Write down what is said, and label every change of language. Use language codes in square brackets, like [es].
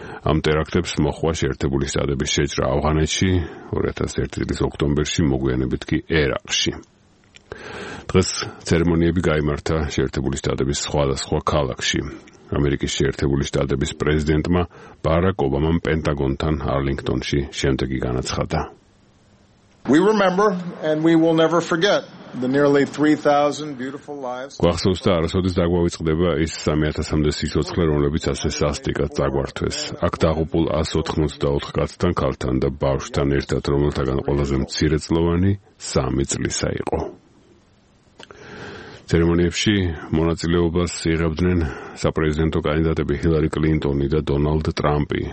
[ka] ამ ტერაქტებს მოჰყვა შეერთებული შტატების შეჭრა ავღანეთში 2001 წლის ოქტომბერში, მოგვიანებით კი ერაყში. დღეს ცერემონიები გაიმართა შეერთებული შტატების სხვადასხვა ქალაქში. ამერიკის შეერთებული შტატების პრეზიდენტმა ბარაკ ობამამ პენტაგონთან არლინგტონში შემდეგი განაცხადა. [en] We remember and we will never forget the nearly 3000 beautiful lives. [ka] გვახსოვს და არასოდეს დაგვავიწყდება ის 3000-მდე სიცოცხლე, რომლებიც ასე სასტიკად დაგვართვეს. აქ დაღუპულ 184 კაცთან, ქალთან და ბავშვთან ერთად, რომელთაგან ყველაზე მცირეწლოვანი 3 წლისა იყო. ცერემონიებში მონაწილეობას იღებდნენ საპრეზიდენტო კანდიდატები ჰილარი კლინტონი და დონალდ ტრამპი.